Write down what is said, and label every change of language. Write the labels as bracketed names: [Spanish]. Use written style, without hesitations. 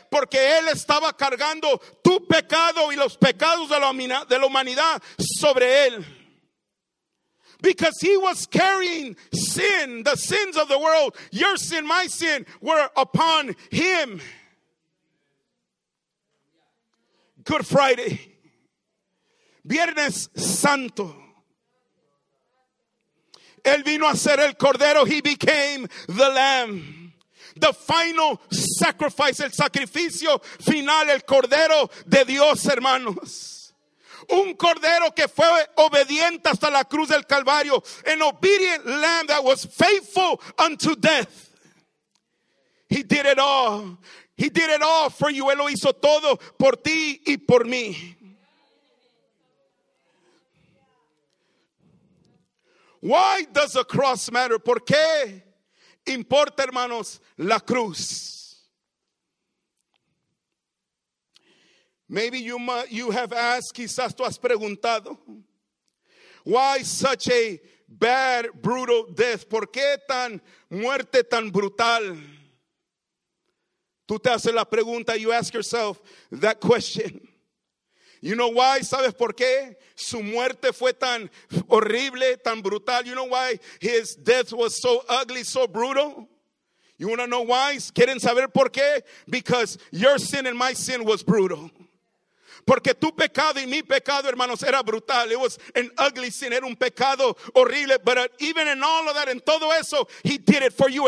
[Spanish] Porque él estaba cargando tu pecado y los pecados de la humanidad sobre él. [English] Because he was carrying sin, the sins of the world, your sin, my sin, were upon him. Good Friday. [Spanish] Viernes Santo. Él vino a ser el cordero. [English] He became the lamb. The final sacrifice, [Spanish] el sacrificio final, el cordero de Dios, hermanos. Un cordero que fue obediente hasta la cruz del Calvario. [English] An obedient lamb that was faithful unto death. He did it all. He did it all for you. [Spanish] Él lo hizo todo por ti y por mí. [English] Why does the cross matter? [Spanish] ¿Por qué importa, hermanos, la cruz? [English] Maybe you have asked, [Spanish] quizás tú has preguntado, [English] why such a bad, brutal death? [Spanish] ¿Por qué tan muerte tan brutal? Tú te haces la pregunta, [English] you ask yourself that question. You know why? [Spanish] ¿Sabes por qué su muerte fue tan horrible, tan brutal? [English] You know why his death was so ugly, so brutal? You want to know why? [Spanish] ¿Quieren saber por qué? [English] Because your sin and my sin was brutal. [Spanish] Porque tu pecado y mi pecado, hermanos, era brutal. [English] It was an ugly sin, [Spanish] era un pecado horrible. [English] But even in all of that, [Spanish] en todo eso, [English] he did it for you.